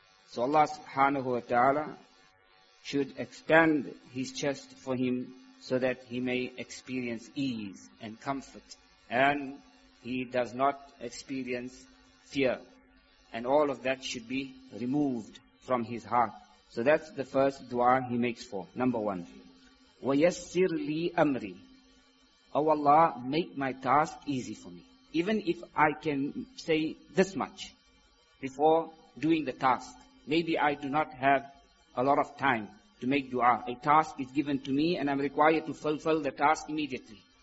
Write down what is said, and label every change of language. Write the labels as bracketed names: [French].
[English] So Allah subhanahu wa ta'ala should expand his chest for him, so that he may experience ease and comfort, and he does not experience fear, and all of that should be removed from his heart. So that's the first dua he makes for. Number one, [Arabic] وَيَسِّرْ لِي أَمْرِي. [English] Oh Allah, make my task easy for me. Even if I can say this much before doing the task, maybe I do not have a lot of time to make dua. A task is given to me and I'm required to fulfill the task immediately.